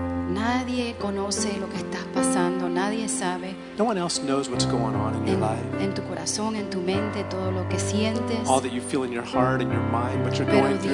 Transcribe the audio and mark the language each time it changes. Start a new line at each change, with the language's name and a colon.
Spanish: Nadie conoce lo que estás pasando, nadie sabe.
English: No one else knows what's going on in your life.
Spanish: En tu corazón, en tu mente, todo lo que sientes.
English: All that you feel in your heart and your mind, what you're going through.